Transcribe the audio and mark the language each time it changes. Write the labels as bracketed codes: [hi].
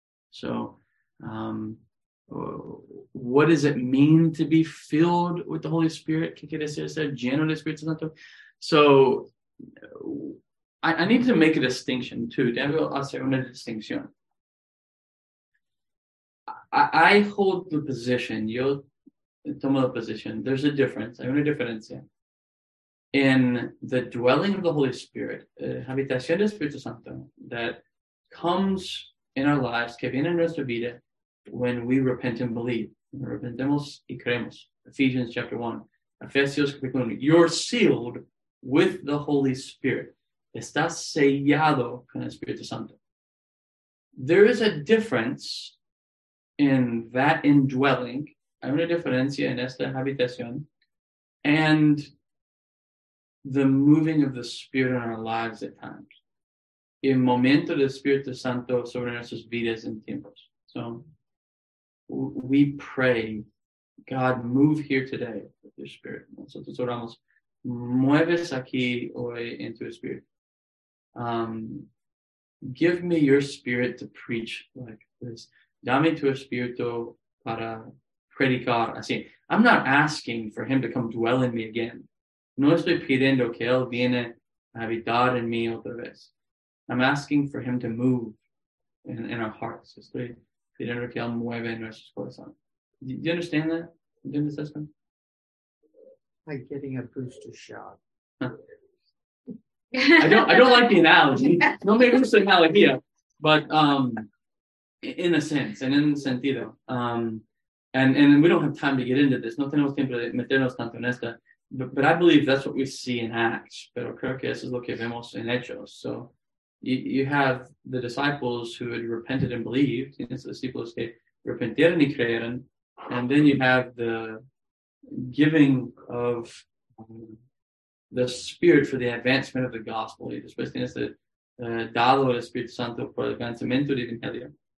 [en] So what does it mean to be filled with the Holy Spirit? [es] ¿Qué quiere decir ser lleno del Espíritu Santo? [en] So I need to make a distinction too. [es] Debo hacer una distinción. [en] I hold the position. [es] Yo tomo la position. [en] There's a difference. [es] Hay una diferencia. [en] In the dwelling of the Holy Spirit, [es] habitación del Espíritu Santo, [en] that comes in our lives, [es] que viene en nuestra vida, [en] when we repent and believe. [es] Repentemos y creemos. [en] Ephesians chapter 1. Ephesians chapter 1. You're sealed with the Holy Spirit. [es] Está sellado con el Espíritu Santo. [en] There is a difference in that indwelling. [es] Hay una diferencia en esta habitación. [en] And the moving of the Spirit in our lives at times. [es] El momento del Espíritu Santo sobre nuestras vidas en tiempos. [en] So we pray, God, move here today with your Spirit. [es] Nosotros oramos, mueves aquí hoy en tu Espíritu. [en] Give me your Spirit to preach like this. [es] Dame tu espíritu para predicar así. [en] I'm not asking for him to come dwell in me again. [es] No estoy pidiendo que él viene a habitar en mí otra vez. [en] I'm asking for him to move in our hearts. [es] Estoy pidiendo que él mueva en nuestros corazones. [en] Do you understand that? Do you understand this one? Like getting a booster shot. I don't like the analogy. No, maybe it's an analogia, but in a sense, and in sentido. And we don't have time to get into this. [es] No tenemos tiempo de meternos tanto en esta. [en] But I believe that's what we see in Acts. [es] Pero creo que eso es lo que vemos en Hechos. [en] So you have the disciples who had repented and believed. [es] Tienes discípulos que repentieron y creyeron. [en] And then you have the giving of the Spirit for the advancement of the gospel. [es] Y después tienes el dado el Espíritu Santo por el avanzamiento del Evangelio.